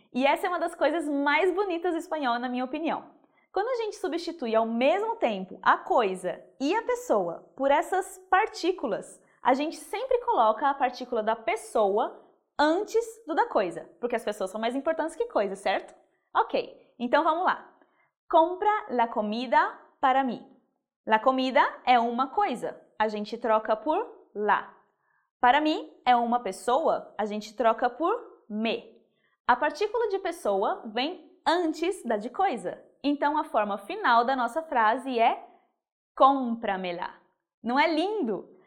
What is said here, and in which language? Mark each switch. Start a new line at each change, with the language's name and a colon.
Portuguese: E essa é uma das coisas mais bonitas do espanhol, na minha opinião. Quando a gente substitui ao mesmo tempo a coisa e a pessoa por essas partículas, a gente sempre coloca a partícula da pessoa antes do da coisa, porque as pessoas são mais importantes que coisa, certo? Ok, então vamos lá.
Spanish: Compra la comida para mí.
Portuguese: La comida é uma coisa, a gente troca por la. Para mí é uma pessoa, a gente troca por me. A partícula de pessoa vem antes da de coisa. Então a forma final da nossa frase é cómpramela. Não é lindo?